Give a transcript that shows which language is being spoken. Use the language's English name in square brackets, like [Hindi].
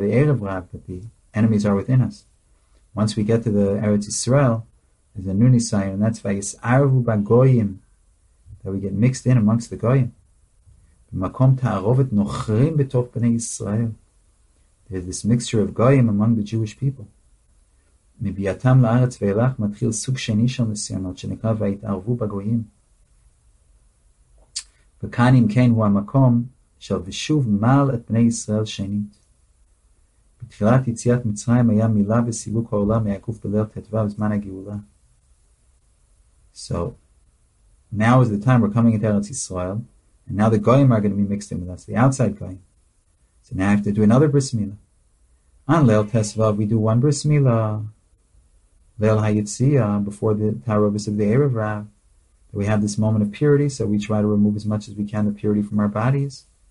[English] The Erev Rav, that the enemies are within us. Once we get to the Eretz Yisrael, there's a new Nisayon, and that's Vayis'arvu Bagoyim, that we get mixed in amongst the Goyim. [Hebrew] B'makom ta'arovet nochrim b'toch b'nei Yisrael. [English] There's this mixture of Goyim among the Jewish people. [Hebrew] מביאתם לארץ ואילך מתחיל סוג שני של ניסיונות שנקרא והתערבו בגויים. וכאן אם כן הוא המקום של ושוב מעל את בני ישראל שנית. בתחילת יציאת מצרים היה מילה וסילוק העולם מהקוף בליל תתווה בזמן הגאולה. [English] So, now is the time we're coming into ארץ ישראל, and now the goyim are going to be mixed in with us, the outside goyim. So now I have to do another bris mila. On ליל תתווה we do one bris mila. Leil HaYitziyah, before the Tarovis of the Erev Rav, we have this moment of purity, so we try to remove as much as we can the purity from our bodies.